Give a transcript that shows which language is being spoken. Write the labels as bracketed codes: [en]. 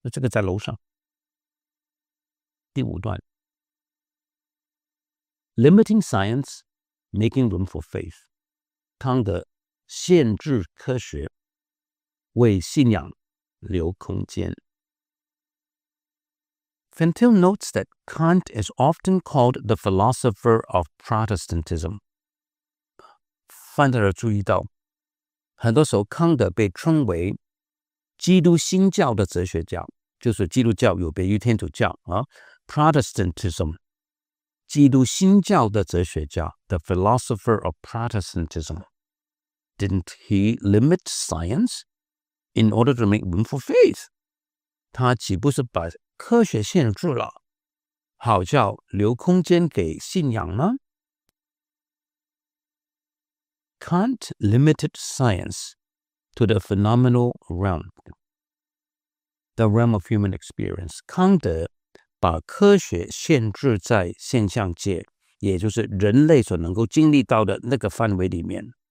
[zh] 这个在楼上第五段 [en] Limiting science making room for faith， [zh] 康德限制科学为信仰留空间。 [en] Fantine notes that Kant is often called the philosopher of Protestantism。 [zh] 范德尔注意到很多时候康德被称为基督新教的哲学家，就是基督教有别于天主教啊 ，Protestantism， 基督新教的哲学家 ， [en] the philosopher of Protestantism。 Didn't he limit science in order to make room for faith？ [zh] 他岂不是把科学限制了，好叫留空间给信仰吗 ？ [en] Kant limited science to the phenomenal realm。 The realm of human experience， [zh] 康德把科学限制在现象界，也就是人类所能够经历到的那个范围里面。